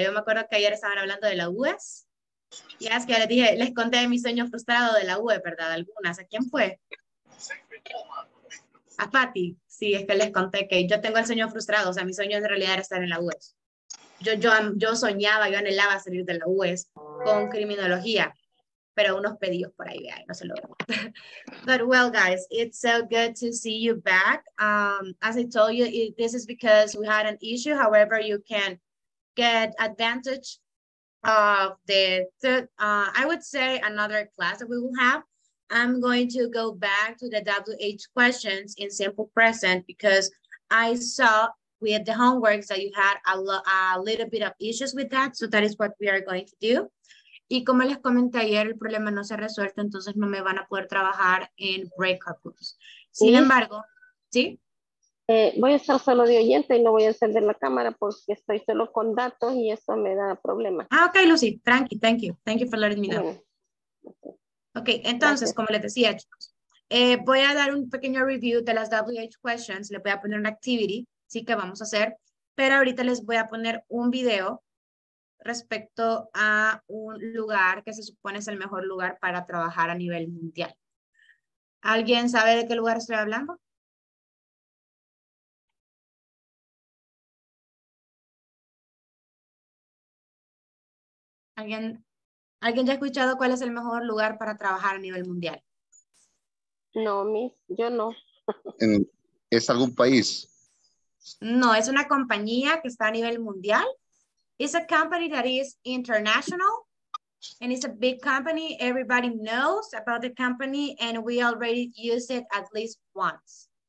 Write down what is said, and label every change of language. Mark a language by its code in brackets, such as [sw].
[es] Yo me acuerdo que ayer estaban hablando de la UES. Y es que les conté de mi sueño frustrado de la UE, ¿verdad? Algunas. ¿A quién fue? A Patti. Sí, es que les conté que yo tengo el sueño frustrado. O sea, mi sueño en realidad era estar en la UES. Yo soñaba, yo anhelaba salir de la UES con criminología. Pero unos pedidos por ahí, vea, no se logró. [en] But well, guys, it's so good to see you back. As I told you, this is because we had an issue. However, you can get advantage of the third, I would say, another class that we will have. I'm going to go back to the WH questions in simple present because I saw with the homeworks that you had a little bit of issues with that. So that is what we are going to do. [es] Y como les comenté ayer, el problema no se ha resuelto, entonces no me van a poder trabajar en breakout rooms. Sin embargo, ¿sí? Voy a estar solo de oyente y no voy a encender la cámara porque estoy solo con datos y eso me da problemas. [en] Ah, ok, Lucy, tranqui, thank you. Thank you for letting me know. Ok, [es] entonces, gracias. Como les decía, chicos, voy a dar un pequeño review de las WH questions. Le voy a poner una activity, sí, que vamos a hacer. Pero ahorita les voy a poner un video respecto a un lugar que se supone es el mejor lugar para trabajar a nivel mundial. ¿Alguien sabe de qué lugar estoy hablando? ¿Alguien ya ha escuchado cuál es el mejor lugar para trabajar a nivel mundial? No, Miss, yo no. ¿Es algún país? No, es una compañía que está a nivel mundial. [en] It's a company that is international, and it's a big company. Everybody knows about the company, and we already use it at least once.